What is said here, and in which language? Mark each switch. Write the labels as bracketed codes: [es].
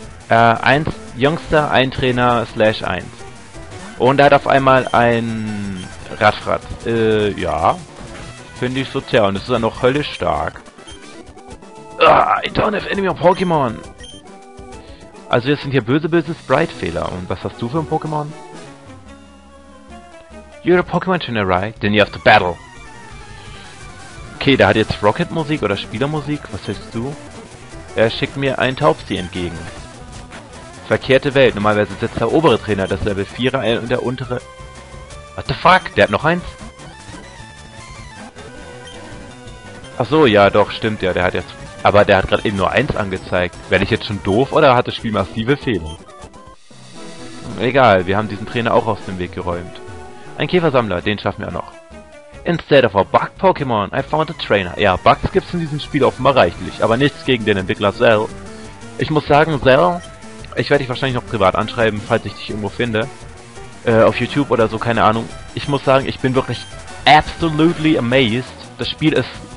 [de] Eins, Jüngster, ein Trainer, slash 1. Und er hat auf einmal ein Radfratz. Ja. Finde ich so zäh und es ist dann noch höllisch stark. [en] I don't have any more Pokemon! [de] Also jetzt sind hier böse Sprite-Fehler. Und was hast du für ein Pokémon? [en] You're a Pokémon trainer, right? Then you have to battle. [de] Okay, der hat jetzt Rocket-Musik oder Spielermusik. Was willst du? Er schickt mir einen Taubsi entgegen. Verkehrte Welt. Normalerweise sitzt der obere Trainer, das Level 4er und der untere... [en] What the fuck? [de] Der hat noch eins? Ach so, ja doch, stimmt ja. Der hat jetzt... Aber der hat gerade eben nur eins angezeigt. Werde ich jetzt schon doof oder hat das Spiel massive Fehler? Egal, wir haben diesen Trainer auch aus dem Weg geräumt. Ein Käfersammler, den schaffen wir noch. [en] Instead of a bug Pokémon, I found a trainer. [de] Ja, Bugs gibt's in diesem Spiel offenbar reichlich, aber nichts gegen den Entwickler Zell. Ich muss sagen, Zell, ich werde dich wahrscheinlich noch privat anschreiben, falls ich dich irgendwo finde. Auf YouTube oder so, keine Ahnung. Ich muss sagen, ich bin wirklich [en] absolutely amazed. [de] Das Spiel ist...